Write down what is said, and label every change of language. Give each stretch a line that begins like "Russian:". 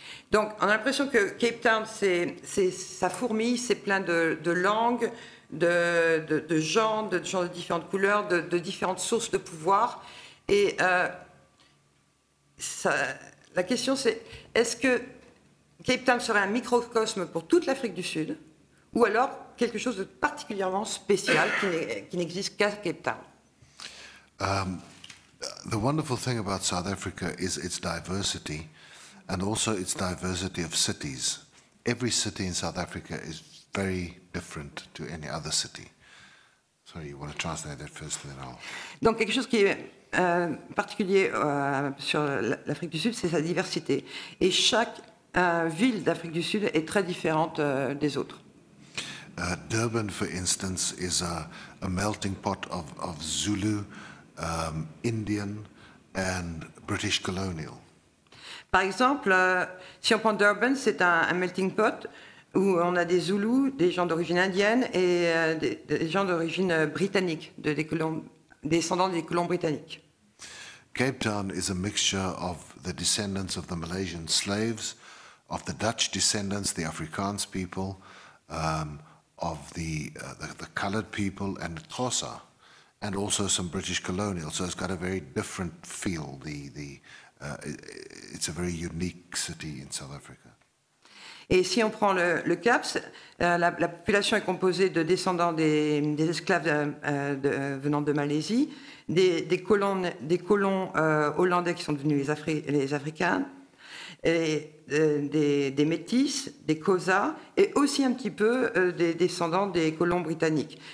French: Donc, on a l'impression que Cape Town, ça fourmille, c'est plein de langues, de gens, de gens de différentes couleurs, de différentes sources de pouvoir. Et la question, c'est est-ce que Cape Town serait un microcosme pour toute l'Afrique du Sud, ou alors quelque chose de particulièrement spécial qui n'existe qu'à Cape Town?
English: The wonderful thing about South Africa is its diversity. And also its diversity of cities. Every city in South Africa is very different to any other city. Sorry, you want to translate that first, then I'll.
French: Donc quelque chose qui est particulier sur l'Afrique du Sud, c'est sa diversité. Et chaque ville d'Afrique du Sud est très différente des autres.
English: Durban, for instance, is a melting pot of Zulu, Indian, and British colonial.
French: Par exemple, si on prend Durban, c'est un melting pot où on a des Zoulous, des gens d'origine indienne et des gens d'origine britannique, descendants des colons britanniques.
English: Cape Town is a mixture of the descendants of the Malaysian slaves, of the Dutch descendants, the Afrikaans people, of the coloured people and Xhosa, and also some British colonials. So it's got a very different feel. It's a very unique city in South Africa.
French: Et si on prend le Cap, la population est composée de descendants des esclaves venant de Malaisie, des colons hollandais qui sont devenus les Africains, et des métis, des Xhosa, et aussi un petit peu des descendants des colons britanniques.